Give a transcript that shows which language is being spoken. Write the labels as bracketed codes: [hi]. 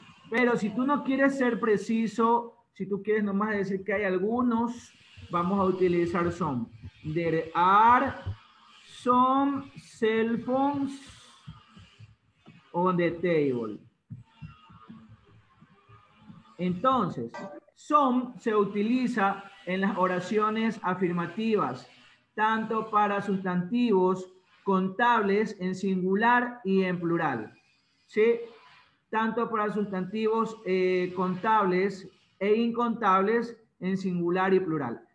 [es] Pero si tú no quieres ser preciso, si tú quieres nomás decir que hay algunos, vamos a utilizar some. [en] There are some cell phones on the table. [es] Entonces, some se utiliza en las oraciones afirmativas, tanto para sustantivos contables en singular y en plural. ¿Sí? Tanto para sustantivos contables e incontables en singular y plural.